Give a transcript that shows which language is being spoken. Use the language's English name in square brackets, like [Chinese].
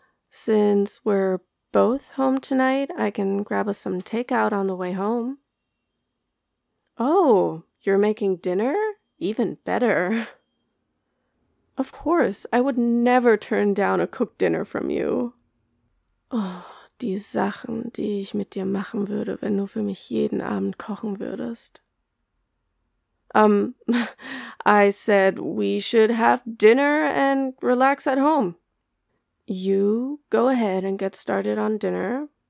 [English] Since we're both home tonight, I can grab us some takeout on the way home. Oh, you're making dinner? Even better. Of course, I would never turn down a cooked dinner from you. [German] Oh, die Sachen, die ich mit dir machen würde, wenn du für mich jeden Abend kochen würdest. [English] I said we should have dinner and relax at home. You go ahead and get started on dinner.